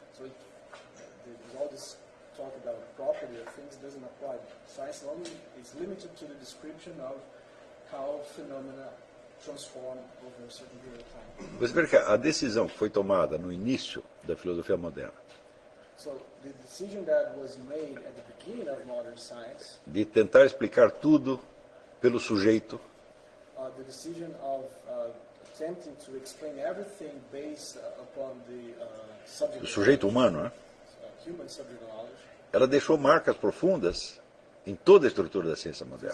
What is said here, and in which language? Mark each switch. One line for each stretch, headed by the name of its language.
English: So all this talk about property of things doesn't apply. Science only is limited to the description of how phenomena transform over a certain period of time.
Portuguese: A decisão que foi tomada no início da filosofia moderna.
English: So the decision that was made at the beginning of modern science.
Portuguese: De tentar explicar tudo pelo sujeito.
English: The decision of attempting to explain everything based upon the subject.
Portuguese: O sujeito humano,
English: Human subject knowledge.
Portuguese: Ela deixou marcas profundas em toda a estrutura da ciência moderna.